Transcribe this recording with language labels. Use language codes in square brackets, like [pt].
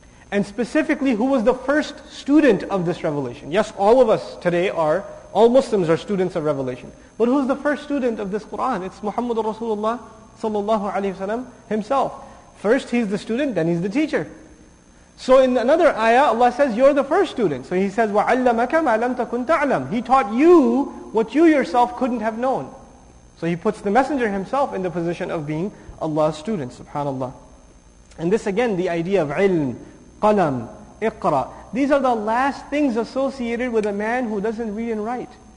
[en] And specifically, who was the first student of this revelation? Yes, all of us today are, all Muslims are students of revelation. But who's the first student of this Qur'an? It's Muhammad Rasulullah sallallahu alayhi wa sallam himself. First he's the student, then he's the teacher. So in another ayah, Allah says, you're the first student. So He says, [ar] وَعَلَّمَكَ مَا لَمْ تَكُنْ تَعْلَمْ. [en] He taught you what you yourself couldn't have known. So He puts the Messenger himself in the position of being Allah's student, subhanAllah. And this again, the idea of ilm, qalam, iqra. These are the last things associated with a man who doesn't read and write.